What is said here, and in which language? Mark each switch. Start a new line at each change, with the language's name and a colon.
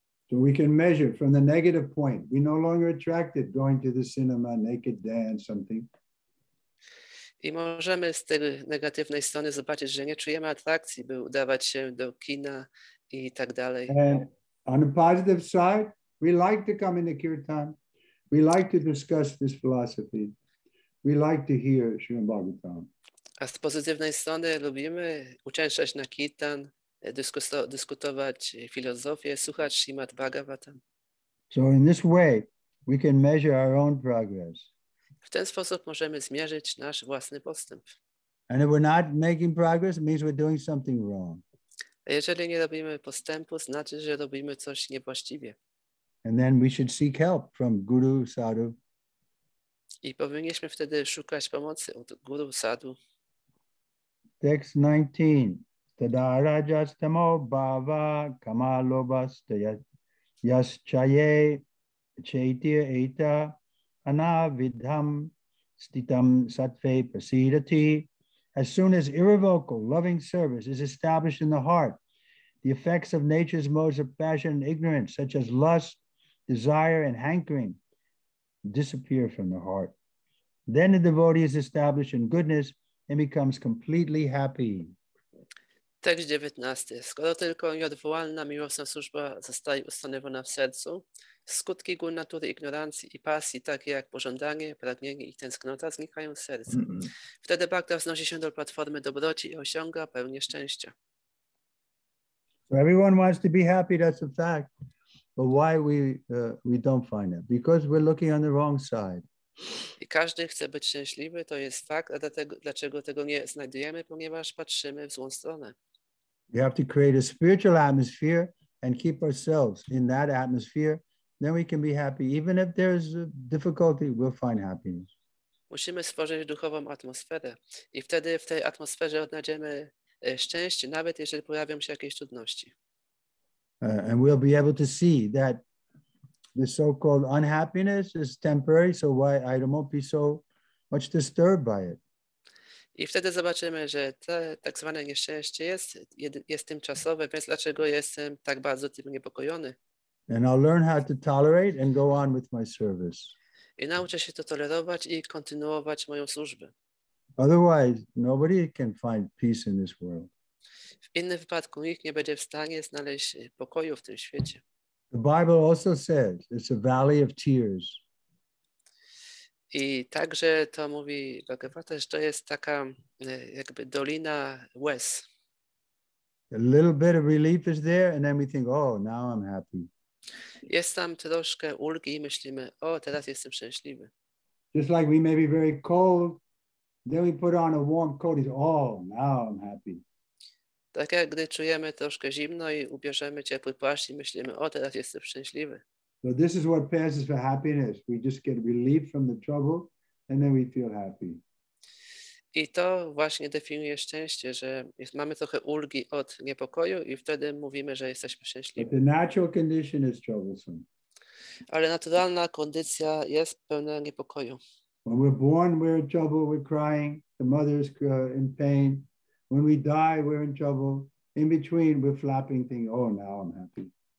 English: So we can measure from the negative point. We no longer attracted going to the cinema, naked dance, something.
Polish: I możemy z tej negatywnej strony zobaczyć, że nie czujemy atrakcji, by udawać się do kina i tak dalej.
English: And on the positive side, we like to come in the kirtan. We like to discuss this philosophy. We like to hear Srimad Bhagavatam.
Polish: A z pozytywnej strony lubimy uczęszczać na kirtan, dyskutować filozofię, słuchać Srimad Bhagavatam.
English: So in this way, we can measure our own progress.
Polish: W ten sposób możemy zmierzyć nasz własny postęp.
English: And if we're not making progress, it means we're doing something wrong.
Polish: A jeżeli nie robimy postępu, znaczy, że robimy coś niewłaściwie.
English: And then we should seek help from Guru Sadhu.
Polish: I powinniśmy wtedy szukać pomocy od Guru Sadhu.
English: Text 19.
Sanskrit: Tadarajastamo bhava kamalobastaya yaschaye chaitya eta anavidham stitam sattve prasidati.
English: As soon as irrevocable loving service is established in the heart, the effects of nature's modes of passion and ignorance, such as lust, desire and hankering disappear from the heart. Then the devotee is established in goodness and becomes completely happy.
Polish: Tekst 19. Skoro tylko nieodwołalna miłosna służba zostaje ustanowiona w sercu, skutki gór natury ignorancji i pasji, takie jak pożądanie, pragnienie i tęsknota, znikają z serca. Wtedy bhakta wznosi się do platformy dobroci i osiąga pełnię szczęścia.
English: So everyone wants to be happy, that's a fact. But why we don't find it? Because we're looking on the wrong side.
Polish: I każdy chce być szczęśliwy, to jest fakt, a dlatego, dlaczego tego nie znajdujemy, ponieważ patrzymy w złą stronę.
English: We have to create a spiritual atmosphere and keep ourselves in that atmosphere, then we can be happy. Even if there is a difficulty, we'll find happiness.
Polish: Musimy stworzyć duchową atmosferę i wtedy w tej atmosferze odnajdziemy szczęście, nawet jeżeli pojawią się jakieś trudności.
English: And we'll be able to see that the so-called unhappiness is temporary, so why I won't be so much disturbed by it.
Polish: I wtedy zobaczymy, że to tak zwane nieszczęście jest tymczasowe, więc dlaczego jestem tak bardzo tym niepokojony.
English: And I'll learn how to tolerate and go on with my service.
Polish: I nauczę się to tolerować i kontynuować moją służbę.
English: Otherwise, nobody can find peace in this world.
Polish: W innym wypadku nikt nie będzie w stanie znaleźć pokoju w tym świecie.
English: The Bible also says it's a valley of tears.
Polish: I także to mówi Bhagavata, że to jest taka jakby dolina łez.
English: A little bit of relief is there and then we think, oh, now I'm happy.
Polish: Jest tam troszkę ulgi i myślimy, o, teraz jestem szczęśliwy.
English: Just like we may be very cold, then we put on a warm coat and say, oh, now I'm happy.
Polish: Tak jak gdy czujemy troszkę zimno i ubierzemy ciepły płaszcz i myślimy, o, teraz jestem szczęśliwy.
English: So this is what passes for happiness. We just get relief from the trouble and then we feel happy.
Polish: I to właśnie definiuje szczęście, że jest, mamy trochę ulgi od niepokoju i wtedy mówimy, że jesteśmy szczęśliwi.
English: But the natural condition is troublesome.
Polish: Ale naturalna kondycja jest pełna niepokoju.
English: When we're born, we're in trouble, we're crying, the mother is in pain. When we die, we're in trouble. In between, we're flapping, thinking, oh, now I'm happy.